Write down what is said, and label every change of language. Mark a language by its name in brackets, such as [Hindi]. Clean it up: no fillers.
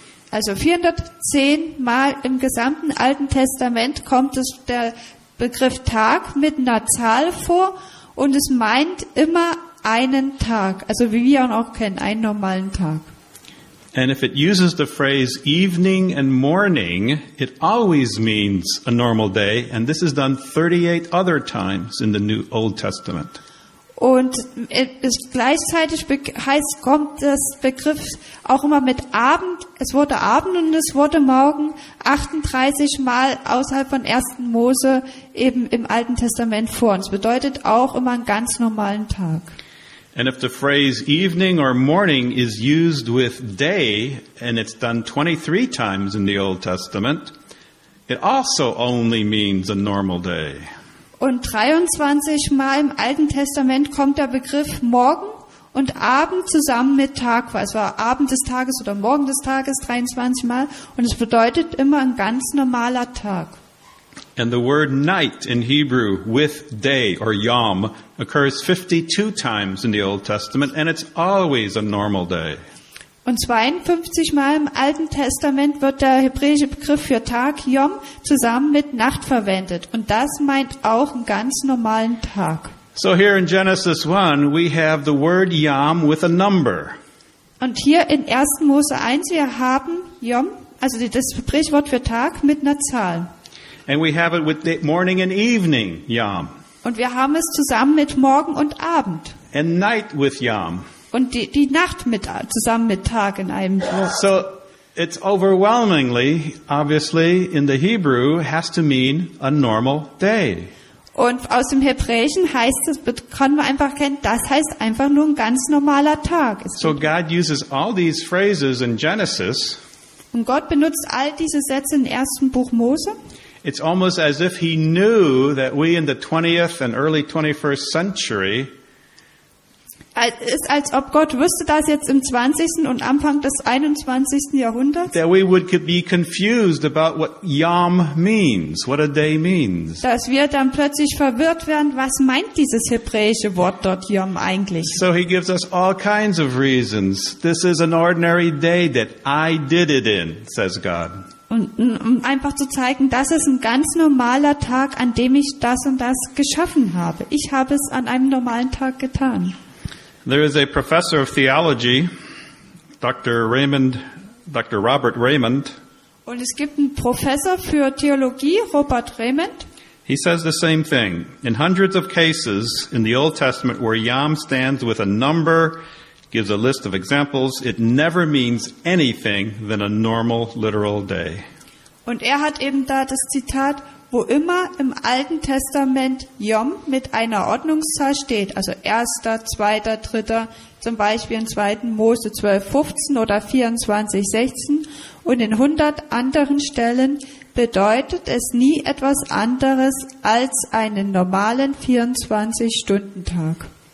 [German] Also 410 Mal im gesamten Alten Testament kommt der Begriff Tag mit einer Zahl vor und es meint immer einen Tag, also wie wir ihn auch kennen, einen normalen Tag. [English] And if it uses the phrase evening and morning, it always means a normal day, and this is done 38 other times in the New Old Testament. [German] Und es gleichzeitig heißt, kommt das Begriff auch immer mit Abend. Es wurde Abend und es wurde Morgen 38 Mal außerhalb von 1. Mose eben im Alten Testament vor uns. Bedeutet auch immer einen ganz normalen Tag. [English] And if the phrase evening or morning is used with day and it's done 23 times in the Old Testament, it also only means a normal day. [German] Und 23 Mal im Alten Testament kommt der Begriff Morgen und Abend zusammen mit Tag vor. Es war Abend des Tages oder Morgen des Tages 23 Mal. Und es bedeutet immer ein ganz normaler Tag. [English] And the word night in Hebrew with day or yom occurs 52 times in the Old Testament and it's always a normal day. [German] Und 52 Mal im Alten Testament wird der hebräische Begriff für Tag, Yom, zusammen mit Nacht verwendet. Und das meint auch einen ganz normalen Tag. [English] So here in Genesis 1, we have the word Yom with a number. [German] Und hier in 1. Mose 1, wir haben Yom, also das hebräische Wort für Tag, mit einer Zahl. [English] And we have it with the morning and evening, Yom. [German] Und wir haben es zusammen mit Morgen und Abend. [English] And night with Yom. [German] Und die Nacht mit, zusammen mit Tag in einem Wort. [English] So, it's overwhelmingly, obviously, in the Hebrew, has to mean a normal day. [German] Und aus dem Hebräischen heißt es, können wir einfach kennen, das heißt einfach nur ein ganz normaler Tag. [English] So, God uses all these phrases in Genesis. [German] Und Gott benutzt all diese Sätze im 1. Buch Mose. [English] It's almost as if he knew that we in the 20th and early 21st century [German] ist, als ob Gott wüsste, dass jetzt im 20. und Anfang des 21. Jahrhunderts, [English] that we would be confused about what Yom means, what a day means. [German] Dass wir dann plötzlich verwirrt werden, was meint dieses hebräische Wort dort Yom eigentlich? [English] So he gives us all kinds of reasons. This is an ordinary day that I did it in, says God. [German] Um einfach zu zeigen, das ist ein ganz normaler Tag, an dem ich das und das geschaffen habe. Ich habe es an einem normalen Tag getan. [English] There is a professor of theology, Dr. Robert Raymond. [German] Und es gibt einen Professor für Theologie, Robert Raymond. [English] He says the same thing. In hundreds of cases in the Old Testament where Yom stands with a number, gives a list of examples, it never means anything than a normal literal day. [German] Und hat eben da das Zitat, wo immer im Alten Testament Yom mit einer Ordnungszahl steht, also 1., 2., 3., zum Beispiel in 2. Mose 12, 15 oder 24, 16 und in 100 anderen Stellen, bedeutet es nie etwas anderes als einen normalen 24-Stunden-Tag.